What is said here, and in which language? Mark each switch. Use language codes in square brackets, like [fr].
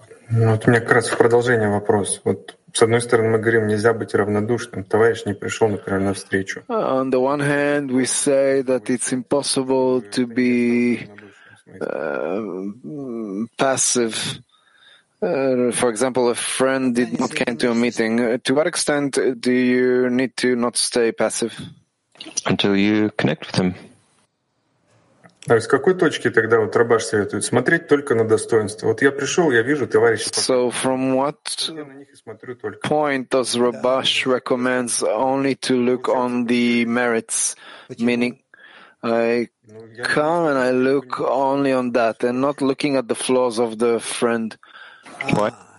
[ru] Ну, вот у меня как раз в продолжение вопрос. Вот с одной стороны мы говорим, нельзя быть равнодушным. Товарищ не пришел, например, на встречу. [en] On the one hand, we say that it's impossible to be passive. For example, a friend did not come to a meeting. To what extent do you need to not stay passive? Until you connect with him. [ru] А с какой точки тогда вот Рабаш советует? Смотреть только на достоинство. Вот я пришел, я вижу товарища. [en] So from what point does Rabash recommend only to look on the merits? Meaning, I come and I look only on that and not looking at the flaws of the friend. What?